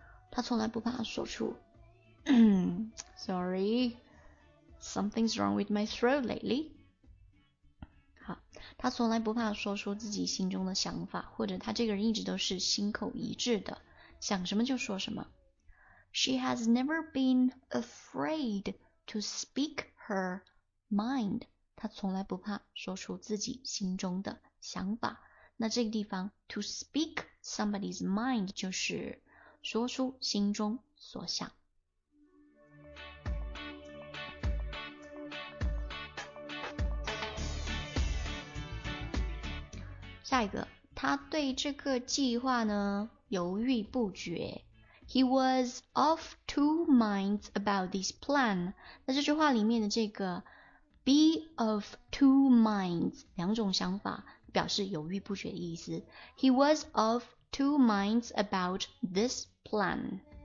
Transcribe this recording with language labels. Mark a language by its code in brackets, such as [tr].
[zh] 她从来不怕说出 [en] Sorry, something's wrong with my throat lately. [zh] 好，他从来不怕说出自己心中的想法，或者他这个人一直都是心口一致的，想什么就说什么。 [en] She has never been afraid to speak her mind. [zh] 他从来不怕说出自己心中的想法。那这个地方 [en] to speak somebody's mind [zh] 就是说出心中所想。下一个，他对这个计划呢犹豫不决。 [en] He was of two minds about this plan. [zh] 那这句话里面的这个 [en] be of two minds [zh] 两种想法，表示犹豫不决的意思。 [en] He was of two minds about this plan.